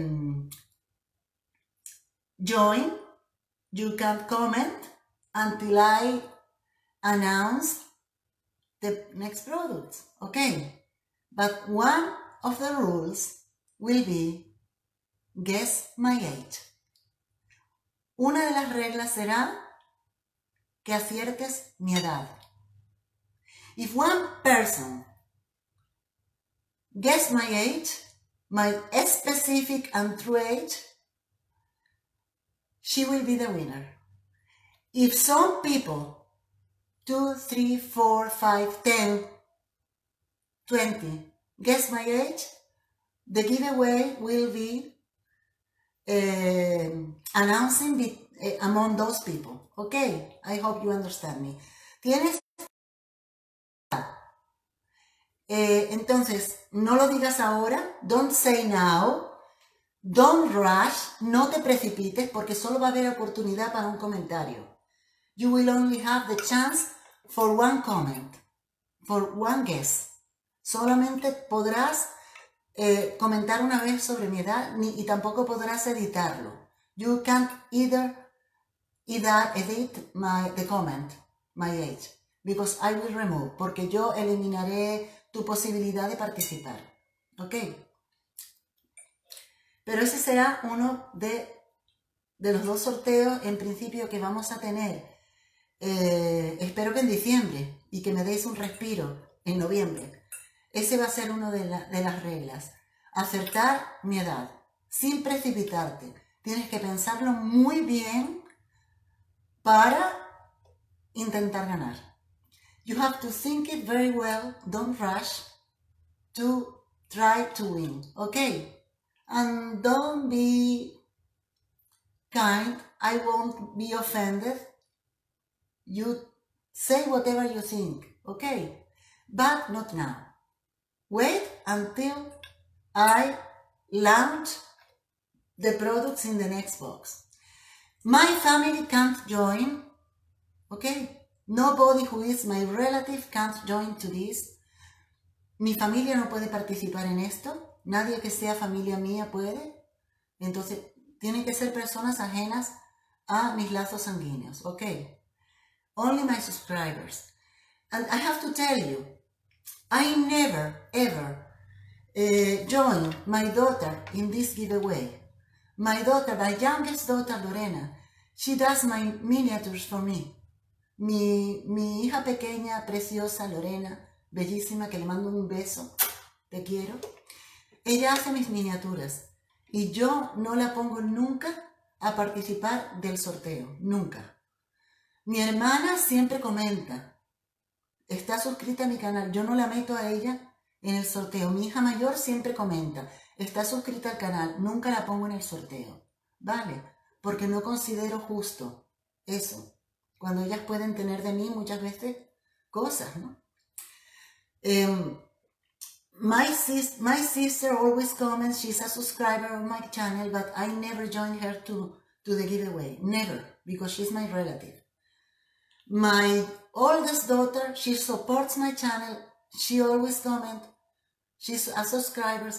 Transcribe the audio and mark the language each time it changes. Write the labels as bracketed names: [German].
[English] You can't join, you can't comment until I announce the next product. Okay, but one of the rules will be guess my age. [Spanish] Una de las reglas será que aciertes mi edad. [English] If one person Guess my age, my specific and true age, she will be the winner. If some people, 2, 3, 4, 5, 10, 20, guess my age, the giveaway will be announcing among those people. Okay, I hope you understand me. [Spanish] ¿Tienes? Entonces, no lo digas ahora. [English] Don't say now. Don't rush. [Spanish] No te precipites porque solo va a haber oportunidad para un comentario. [English] You will only have the chance for one comment, for one guess. [Spanish] Solamente podrás comentar una vez sobre mi edad y tampoco podrás editarlo. [English] You can't either edit the comment, my age, because I will remove, [Spanish] porque yo eliminaré tu posibilidad de participar. [English] ¿Ok? [Spanish] Pero ese será uno de los dos sorteos en principio que vamos a tener. Espero que en diciembre y que me deis un respiro en noviembre. Ese va a ser uno de las reglas. Acertar mi edad, sin precipitarte. Tienes que pensarlo muy bien para intentar ganar. [English] You have to think it very well, don't rush, to try to win, okay? And don't be kind, I won't be offended. You say whatever you think, okay? But not now. Wait until I launch the products in the next box. My family can't join, okay? Nobody who is my relative can't join to this. [Spanish] Mi familia no puede participar en esto. Nadie que sea familia mía puede. Entonces, tienen que ser personas ajenas a mis lazos sanguíneos. [English] Okay. Only my subscribers. And I have to tell you, I never, ever join my daughter in this giveaway. My daughter, my youngest daughter, Lorena, she does my miniatures for me. [Spanish] Mi hija pequeña, preciosa, Lorena, bellísima, que le mando un beso, te quiero. Ella hace mis miniaturas y yo no la pongo nunca a participar del sorteo, nunca. Mi hermana siempre comenta, está suscrita a mi canal, yo no la meto a ella en el sorteo. Mi hija mayor siempre comenta, está suscrita al canal, nunca la pongo en el sorteo, ¿vale? Porque no considero justo eso. Cuando ellas pueden tener de mí muchas veces cosas, ¿no? [English] My sister always comments, she's a subscriber of my channel, but I never join her to the giveaway. Never, because she's my relative. My oldest daughter, she supports my channel. She always comments, she's a subscriber.